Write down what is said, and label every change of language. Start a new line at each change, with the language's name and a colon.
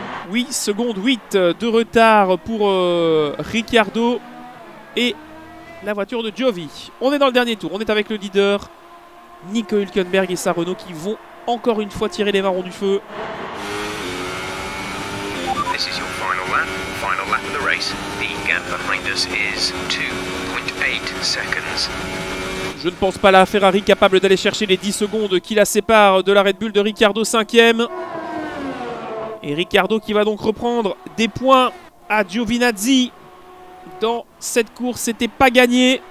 French: Oui, seconde 8 de retard pour Ricciardo et la voiture de Giovi. On est dans le dernier tour, on est avec le leader Nico Hülkenberg et sa Renault qui vont encore une fois tirer les marrons du feu.
English: This is your final lap of the race. The gap behind us is 2.8 seconds.
French: Je ne pense pas à la Ferrari capable d'aller chercher les 10 secondes qui la séparent de la Red Bull de Ricciardo 5e. Et Ricciardo qui va donc reprendre des points à Giovinazzi dans cette course. C'était pas gagné.